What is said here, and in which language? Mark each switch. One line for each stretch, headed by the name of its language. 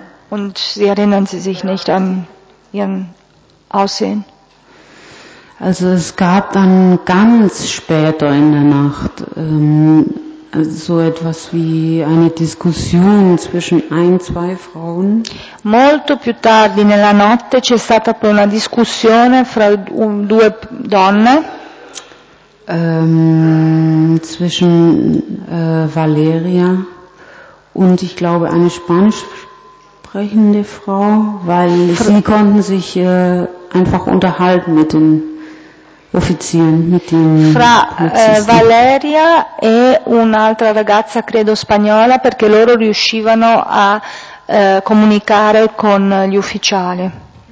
German: Und Sie erinnern Sie sich nicht an Ihren Aussehen? Also es gab dann ganz später in der Nacht so etwas wie eine Diskussion zwischen ein, zwei Frauen.
Italian: Molto più tardi nella notte c'è stata poi una discussione fra due donne.
German: Zwischen Valeria. Und ich glaube, eine spanisch sprechende Frau, weil sie konnten sich einfach unterhalten mit den Offizieren, mit den
Italian: Fra Valeria e un'altra ragazza, credo spagnola, perché loro riuscivano a comunicare con gli ufficiali.